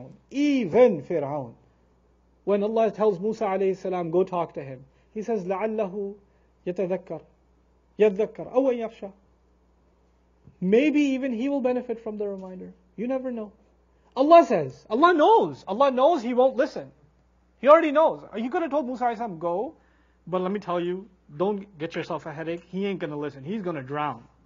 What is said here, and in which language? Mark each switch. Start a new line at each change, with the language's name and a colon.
English: Even Fir'aun. When Allah tells Musa alayhi salam, go talk to him. He says,
Arabic: لَعَلَّهُ يَتَذَكَّرْ أَوْ يَخْشَى.
English: Maybe even he will benefit from the reminder. You never know. Allah says, Allah knows. Allah knows he won't listen. He already knows. He could have told Musa alayhi salam, go. But let me tell you, don't get yourself a headache. He ain't going to listen. He's going to drown.